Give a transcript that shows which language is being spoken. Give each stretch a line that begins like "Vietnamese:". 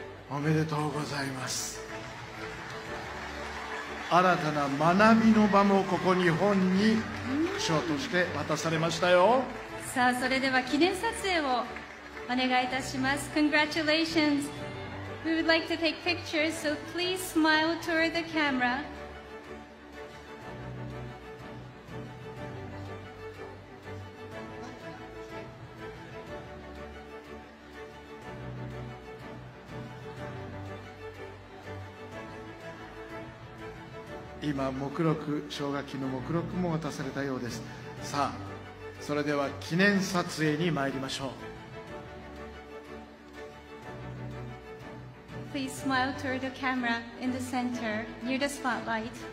Japanese: おめでとうございます。新たな学びの場もここ日本に賞として渡されましたよ。さあそれでは記念撮影をお願いいたします。
English: Congratulations. We would like to take pictures, so please smile toward the camera.
Japanese: 今目録奨学金の目録も渡されたようです。さあそれでは記念撮影に参りましょう。
English: Please smile toward the camera in the center near the spotlight.